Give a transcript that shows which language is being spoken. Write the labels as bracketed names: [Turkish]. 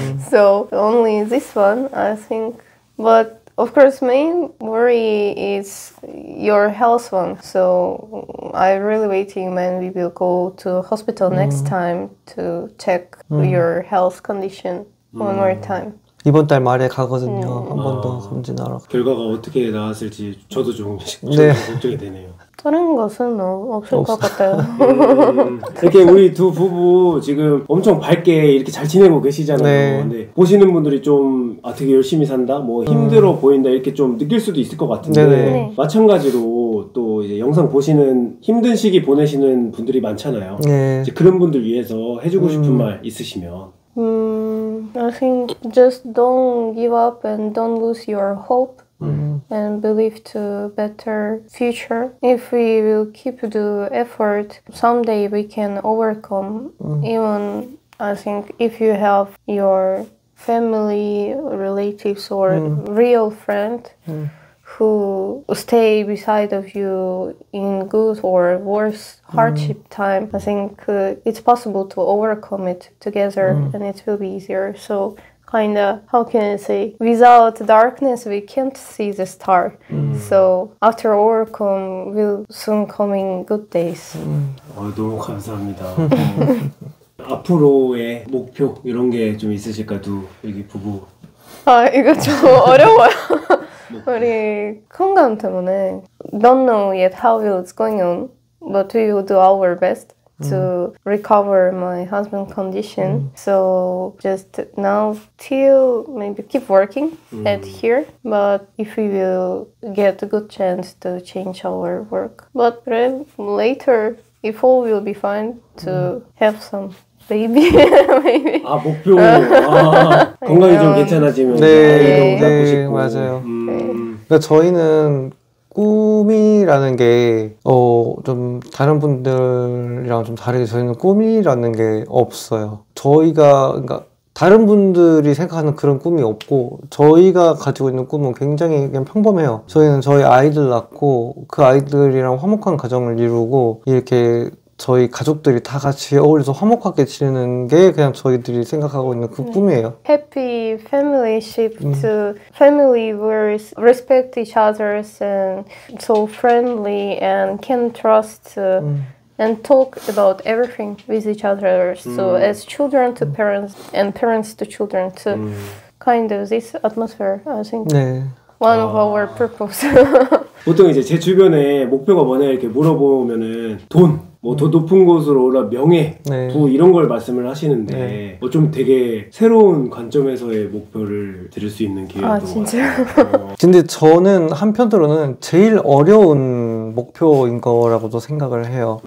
[English] So only this one, I think. But of course, main worry is your health one. So I'm really waiting when we will go to hospital next time to check your health condition one more time. [Korean] 이번 달 말에 가거든요. 한 번 더 검진하러. 결과가 어떻게 나왔을지 저도 좀 걱정이 되네요. 다른 것은 없을 것 같아요. 이렇게 우리 두 부부 지금 엄청 밝게 이렇게 잘 지내고 계시잖아요. 네. 근데 보시는 분들이 좀 아, 되게 열심히 산다? 뭐 힘들어 보인다? 이렇게 좀 느낄 수도 있을 것 같은데 네. 마찬가지로 또 이제 영상 보시는 힘든 시기 보내시는 분들이 많잖아요. 네. 이제 그런 분들 위해서 해주고 싶은 말 있으시면 [English] I think just don't give up and don't lose your hope and believe to better future. If we will keep the effort, someday we can overcome. Even I think if you have your family, relatives or real friend who stay beside of you in good or worse hardship time, I think it's possible to overcome it together and it will be easier. So kind of, how can I say, without darkness we can't see the star. So after overcome, we'll soon coming good days. [Korean] 너무 감사합니다. 앞으로의 목표 이런 게 좀 있으실까요? 두 여기 부부. 아 이거 좀 어려워요. 우리 건강 때문에 [English] don't know yet how it's going on, but we will do our best to recover my husband's condition. So just now till maybe keep working at here, but if we will get a good chance to change our work, but later if all will be fine to have some baby. [Korean] 아 목표. 아, 건강이 좀 괜찮아지면 네, 네 맞아요. 그러니까 저희는 꿈이라는 게 좀 다른 분들이랑 좀 다르게 저희는 꿈이라는 게 없어요. 저희가 그러니까 다른 분들이 생각하는 그런 꿈이 없고 저희가 가지고 있는 꿈은 굉장히 그냥 평범해요. 저희는 저희 아이들 낳고 그 아이들이랑 화목한 가정을 이루고 이렇게 저희 가족들이 다 같이 어울려서 화목하게 지내는 게 그냥 저희들이 생각하고 있는 그 꿈이에요. [English] Happy family ship to family where respect each others and so friendly and can trust and talk about everything with each other. So as children to parents and parents to children to kind of this atmosphere, I think. 네. One of our purpose. [Korean] 보통 이제 제 주변에 목표가 뭐냐 이렇게 물어보면은 돈. 뭐 더 높은 곳으로 올라 명예, 네. 부 이런 걸 말씀을 하시는데 네. 뭐 좀 되게 새로운 관점에서의 목표를 드릴 수 있는 기회인 것 같아요. 아 진짜요? 근데 저는 한편으로는 제일 어려운 목표인 거라고도 생각을 해요.